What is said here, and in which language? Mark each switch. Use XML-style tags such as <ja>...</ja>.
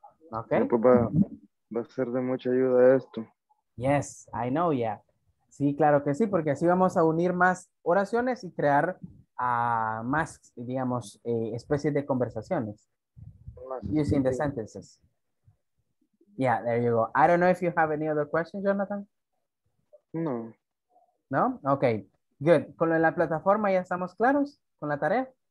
<en>Okay.</en> <es>Sí, papá, va a ser de mucha ayuda esto.</es> <en>Yes, I know, yeah.</en> <es>Sí, claro que sí, porque así vamos a unir más oraciones y crear más, digamos, especies de conversaciones. Más</es> <en>using</en> <es>sentido.</es> <en>The sentences. Yeah, there you go. I don't know if you have any other questions, Jonathan. No. No? Okay, good.</en> <es>¿Con la plataforma ya estamos claros con la tarea?</es>